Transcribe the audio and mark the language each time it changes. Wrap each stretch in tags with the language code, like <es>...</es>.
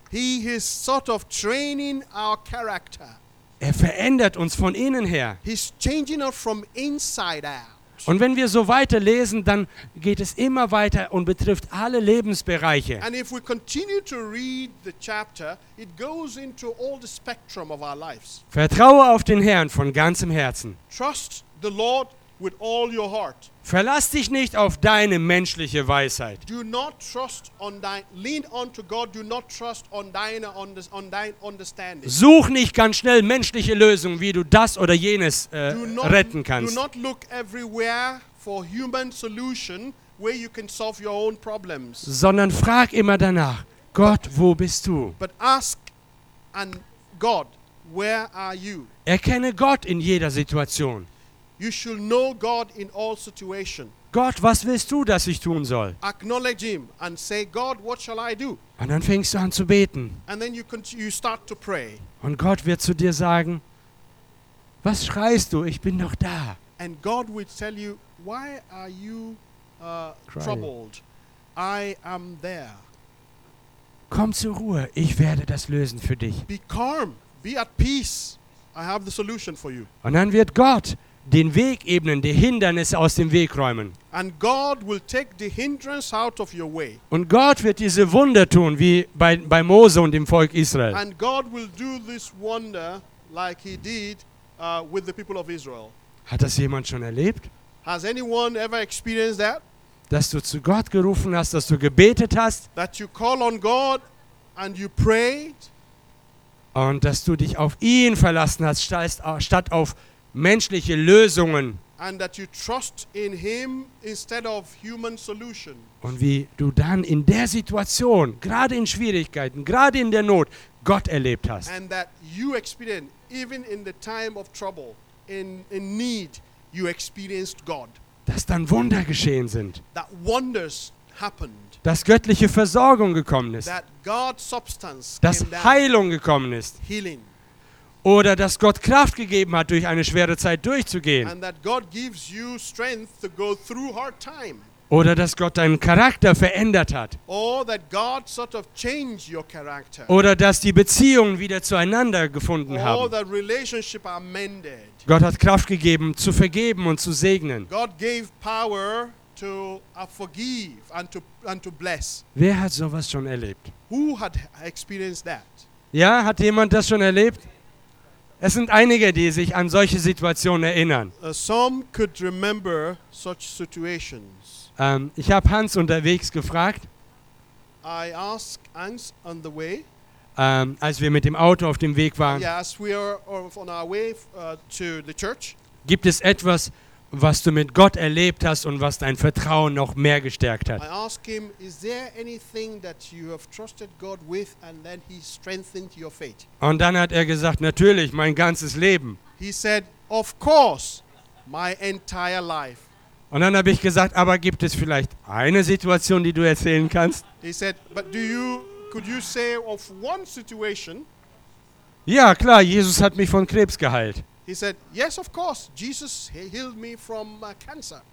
<en>He is sort of training our character.</en> <de>Verändert uns von innen her.</de> <en>He's changing us from inside out.</en> <de>Und wenn wir so weiterlesen, dann geht es immer weiter und betrifft alle Lebensbereiche.</de> <en>And if we continue to read the chapter, it goes into all the spectrum of our lives.</en> <de>Vertraue auf den Herrn von ganzem Herzen.</de> <en>Trust the Lord with all your heart.</en> <de>Verlass dich nicht auf deine menschliche Weisheit.</de> <en>Do not trust on lean on to God, do not trust on</en> <de>deine</de> <en>on</en> <de>dein</de> <en>understanding.</en> <de>Such nicht ganz schnell menschliche Lösungen, wie du das oder jenes retten kannst.</de> <en>Do not look everywhere for human solution where you can solve your own problems.</en> <de>Sondern frag immer danach, Gott, wo bist du?</de> <en>But ask and God, where are you?</en> <de>Erkenne Gott in jeder Situation.</de> <en>You should know God in all situations.</en> <de>Gott, was willst du, dass ich tun soll?</de> <en>Acknowledge him and say, God, what shall I do?</en> <de>Und dann fängst du an zu beten.</de> <en>And then you start to pray.</en> <de>Und Gott wird zu dir sagen, was schreist du? Ich bin doch da.</de> <en>And God will tell you, why are you troubled? I am there.</en> <de>Komm zur Ruhe, ich werde das lösen für dich.</de> <en>Be calm, be at peace. I have the solution for you.</en> <de>Und dann wird Gott den Weg ebnen, die Hindernisse aus dem Weg räumen.</de> <en>And God will take the hindrance out of your way.</en> <de>Und Gott wird diese Wunder tun, wie bei Mose und dem Volk Israel.</de> <en>And God will do this wonder like he did with the people of Israel.</en> <de>Hat das jemand schon erlebt?</de> <en>Has anyone ever experienced that?</en> <de>Dass du zu Gott gerufen hast, dass du gebetet hast.</de> <en>That you call on God and you prayed.</en> <de>Und dass du dich auf ihn verlassen hast, statt auf menschliche Lösungen.</de> <en>And that you trust in him instead of human solution.</en> <de>Und wie du dann in der Situation, gerade in Schwierigkeiten, gerade in der Not, Gott erlebt hast.</de> <en>And that you experienced, even in the time of trouble, in need, you experienced God.</en> <de>Dass dann Wunder geschehen sind.</de> <en>That wonders happened.</en> <de>Dass göttliche Versorgung gekommen ist.</de> <en>That God's substance</en> <de>dass Heilung gekommen ist.</de> <en>Healing.</en> <de>Oder dass Gott Kraft gegeben hat, durch eine schwere Zeit durchzugehen.</de> <en>And that God gives you strength to go through hard time.</en> <de>Oder dass Gott deinen Charakter verändert hat.</de> <en>Or that God sort of changed your character.</en> <de>Oder dass die Beziehungen wieder zueinander gefunden</de> <en>or</en> <de>haben.</de> <en>That relationship amended.</en> <de>Gott hat Kraft gegeben, zu vergeben und zu segnen.</de> <en>God gave power to forgive and to bless.</en> <de>Wer hat sowas schon erlebt?</de> <en>Who had experienced that?</en> <de>Ja, hat jemand das schon erlebt? Es sind einige, die sich an solche Situationen erinnern.</de> <en>Some could remember such situations.</en> <de>Ich habe Hans unterwegs gefragt.</de> <en>I asked Hans on the way.</en> <de>Als wir mit dem Auto auf dem Weg waren.</de> <en>Yes, we are on our way to the church.</en> <de>Gibt es etwas, was du mit Gott erlebt hast und was dein Vertrauen noch mehr gestärkt hat?</de> <en>I asked him, is there anything that you have trusted God with and then he strengthened your faith?</en> <de>Und dann hat er gesagt, natürlich, mein ganzes Leben.</de> <en>He said, of course, my entire life.</en> <de>Und dann habe ich gesagt, aber gibt es vielleicht eine Situation, die du erzählen kannst?</de> <en>He said, but could you say of one situation?</en> <de>Ja, klar, Jesus hat mich von Krebs geheilt.</de> <en>He said, yes, of course, Jesus healed me from cancer.</en>